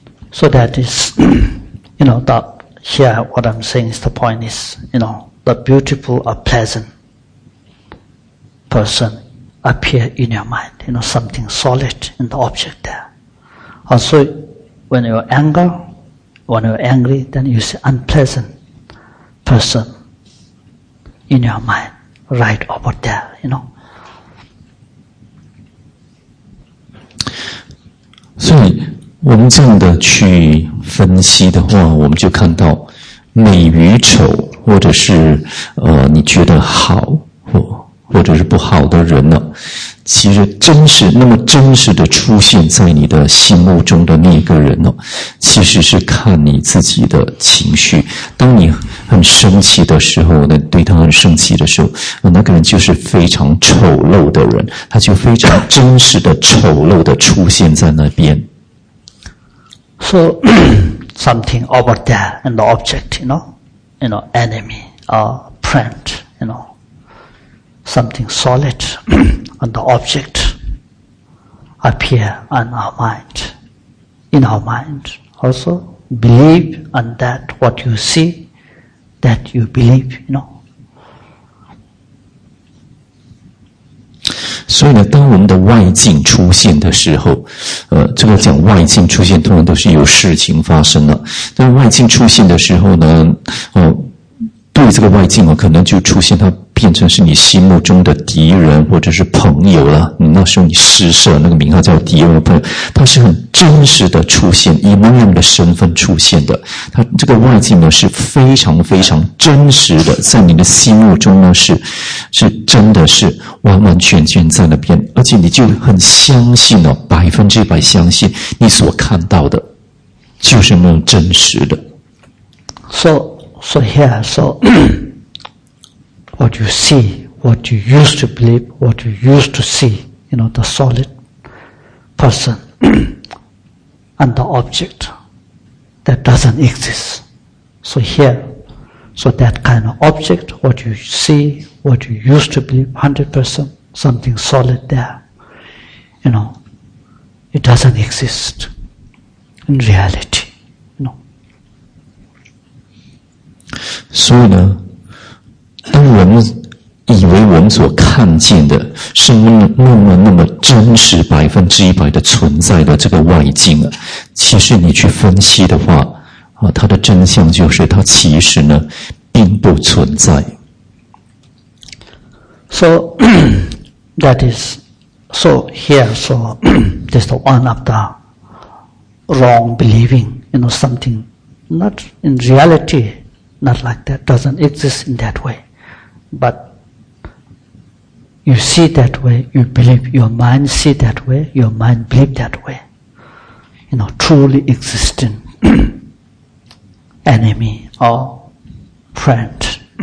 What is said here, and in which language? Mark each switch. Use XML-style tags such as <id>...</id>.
<en>So that is, you know, that here what I'm saying is the point is, you know,the beautiful or pleasant person appear in your mind, you know, something solid in the object there. Also, when you're anger, when you're angry, then you see unpleasant person in your mind, right over there, you know.</en> <zh>所以我们这样的去分析的话，我们就看到美与丑，或者是你觉得好或者是不好的人呢，其实那么真实的出现在你的心目中的那个人呢，其实是看你自己的情绪。当你很生气的时候呢，对他很生气的时候，那个人就是非常丑陋的人，他就非常真实的丑陋的出现在那边。</zh> <en>So something over there in the object, you know. You know, enemy, friend, you know, something solid on the object appear on our mind, in our mind. Also, believe on that what you see, that you believe, you know.</en> <zh>所以呢，当我们的外境出现的时候，这个讲外境出现通常都是有事情发生了。但外境出现的时候呢，对这个外境可能就出现它变成是你心目中的敌人或者是朋友了，你那时候你施舍那个名号叫敌人的朋友，它是很真实的出现，以那样的身份出现的，它这个外境呢是非常非常真实的，在你的心目中呢是真的是完完全全在那边，而且你就很相信百分之百相信你所看到的就是那么真实的。</zh> <en>So here, so, what you see, what you used to believe, what you used to see, you know, the solid person and the object that doesn't exist. So here, so that kind of object, what you see, what you used to believe, 100%, something solid there. You know, it doesn't exist in reality. No.</en> <zh>所以呢，当我们以为我们所看见的是那么真实百分之一百的存在的这个外境啊，其实你去分析的话，啊，它的真相就是它其实呢并不存在。</zh> <en>So that is, so here, so just one of the wrong believing, you know, something not in reality, not like that, doesn't exist in that way, but you see that way, you believe, your mind see that way, your mind believe that way, you know, truly existing enemy or friend.</en>